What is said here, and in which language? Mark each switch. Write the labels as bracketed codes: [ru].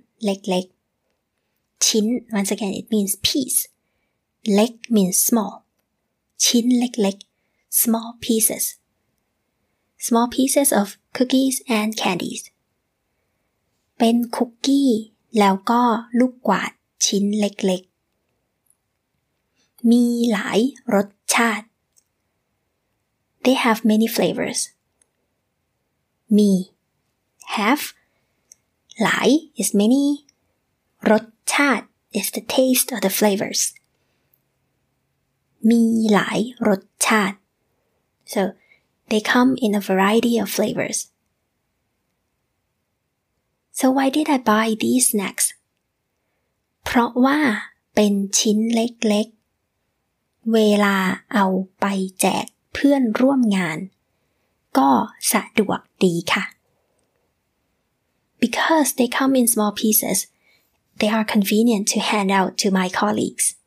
[th] เล็กๆชิ้น [en] once again it means piece เล็ก means small [th] ชิ้นเล็กๆ [en] small piecesSmall pieces of cookies and candies. [th] เป็นคุกกี้แล้วก็ลูกกวาดชิ้นเล็กๆมีหลายรสชาติ [en] They have many flavors. มี have หลาย is many. รสชาติ is the taste or the flavors. [th] มีหลายรสชาติ [en] SoThey come in a variety of flavors. So why did I buy these snacks? [th] เพราะว่าเป็นชิ้นเล็กๆเวลาเอาไปแจกเพื่อนร่วมงานก็สะดวกดีค่ะ [en] Because they come in small pieces, they are convenient to hand out to my colleagues.